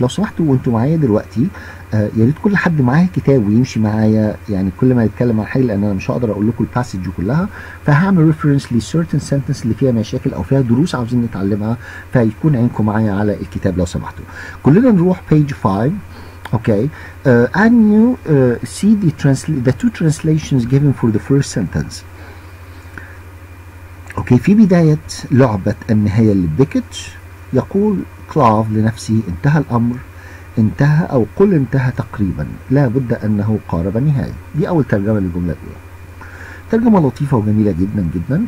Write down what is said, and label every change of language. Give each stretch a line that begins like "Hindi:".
Arabic: لو سمحتوا وانتوا معايا دلوقتي يا ريت كل حد معايا كتاب ويمشي معايا يعني كل ما يتكلم عن حاجة لأن أنا مش هقدر أقول لكم الباسج كلها فهعمل ريفرنس
English: لسيرتن سنتنس
Arabic: اللي فيها مشاكل أو فيها دروس عاوزين نتعلمها فيكون عينكم معايا على الكتاب لو سمحتوا. كلنا نروح page 5.
English: Okay, and you see the two translations given for the first sentence.
Arabic: Okay, في بداية لعبة النهاية لبيكت يقول كلاف لنفسه انتهى الأمر انتهى أو قل انتهى تقريبا لا بد أنه قارب النهاية. دي أول ترجمة للجملة الأولى. ترجمة لطيفة وجميلة جدا.